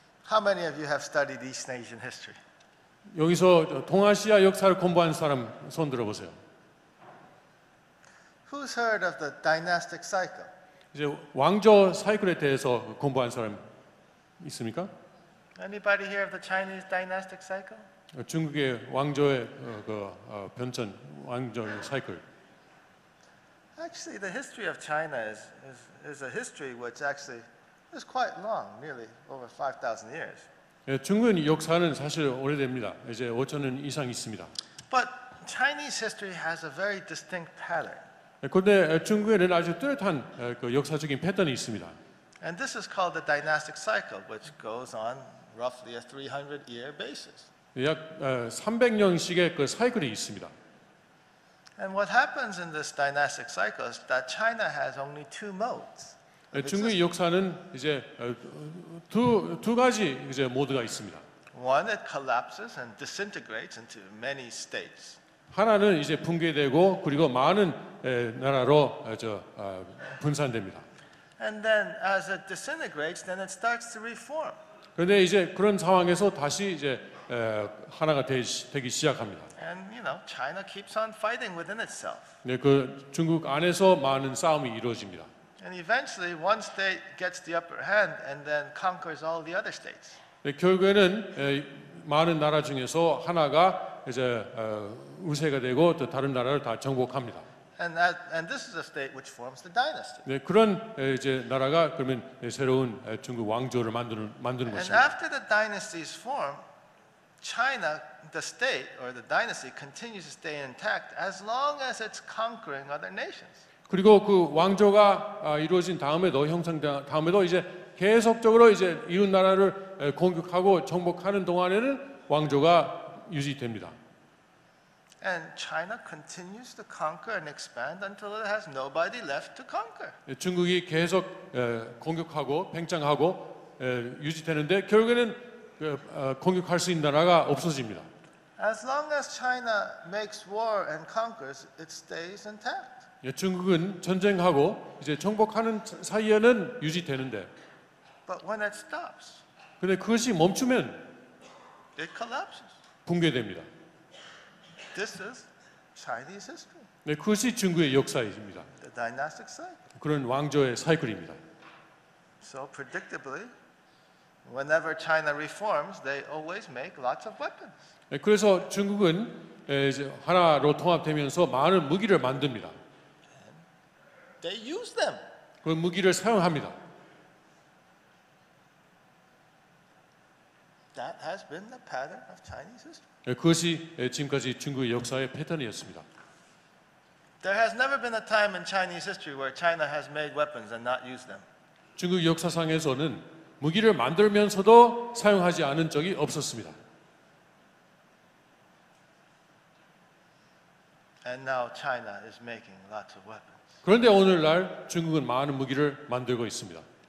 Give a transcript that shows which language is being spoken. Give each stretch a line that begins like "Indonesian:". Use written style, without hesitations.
English: How many of you have studied East Asian history?
Korean: 여기서 동아시아 역사를 공부한 사람 손 들어 보세요.
English: Who's heard of the dynastic cycle?
Korean: 이제 왕조 사이클에 대해서 공부한 사람 있습니까?
English: Anybody hear of the Chinese dynastic cycle?
Korean: 중국의 왕조의 변천 왕조 사이클.
English: Actually, the history of China is a history which actually is quite long, nearly over 5,000 years.
Korean: 중국의 역사는 사실 오래됩니다. 이제 5,000년 이상 있습니다.
English: But Chinese history has a very distinct pattern.
Korean: 그런데 중국에는 아주 뚜렷한 역사적인 패턴이 있습니다.
English: And this is called the dynastic cycle, which goes on roughly a 300-year basis.
Korean: 약 300년씩의 그 사이클이 있습니다.
English: And what happens in this dynastic cycle is that China has only two modes.
Korean: 중국의 역사는 이제 두 가지 이제 모드가 있습니다.
English: One, it collapses and disintegrates into many states.
Korean: 하나는 이제 붕괴되고 그리고 많은 나라로 분산됩니다.
English: And then as it disintegrates, then it starts to reform.
Korean: 그런데 이제 그런 상황에서 다시 이제 하나가 되기 시작합니다.
English: And you know, China keeps on fighting within itself.
Korean: 네, 그 중국 안에서 많은 싸움이 이루어집니다.
English: And eventually, one state gets the upper hand and then conquers all the other states.
Korean: 네, 결국에는 많은 나라 중에서 하나가 이제 우세가 되고 또 다른 나라를 다 정복합니다.
English: And this is a state which forms the dynasty.
Korean: 네, 그런 이제 나라가 그러면 새로운 중국 왕조를 만드는 것입니다.
English: And after the dynasty is formed, China, the state or the dynasty, continues to stay intact as long as it's conquering other nations.
Korean: 그리고 그 왕조가 이루어진 다음에도 형성된 다음에도 이제 계속적으로 이제 이웃 나라를 공격하고 정복하는 동안에는 왕조가 유지됩니다.
English: And China continues to conquer and expand until it has nobody left to conquer.
Korean: 중국이 계속 공격하고 팽창하고 유지되는데 결국에는 공격할 수 있는 나라가 없어집니다.
English: As long as China makes war and conquers, it stays intact.
Korean: 중국은 전쟁하고 이제 정복하는 사이에는 유지되는데.
English: But when it stops.
Korean: 근데 그것이 멈추면
English: it collapses.
Korean: 붕괴됩니다.
English: This is Chinese history.
Korean: 네, 그것이 중국의 역사입니다.
English: The dynastic cycle.
Korean: 그런 왕조의 사이클입니다.
English: So predictably, whenever China reforms, they always make lots of weapons.
Korean: 네, 그래서 중국은 이제 하나로 통합되면서 많은 무기를 만듭니다.
English: And they use them.
Korean: 그 무기를 사용합니다.
English: That has been the pattern of Chinese history.
Korean: 그것이 지금까지 중국의 역사의 패턴이었습니다.
English: There has never been a time in Chinese history where China has made weapons and not used them.
Korean: 중국 역사상에서는 무기를 만들면서도 사용하지 않은 적이 없었습니다.
English: And now China is making lots of weapons.
Korean: 그런데 오늘날 중국은 많은 무기를 만들고 있습니다.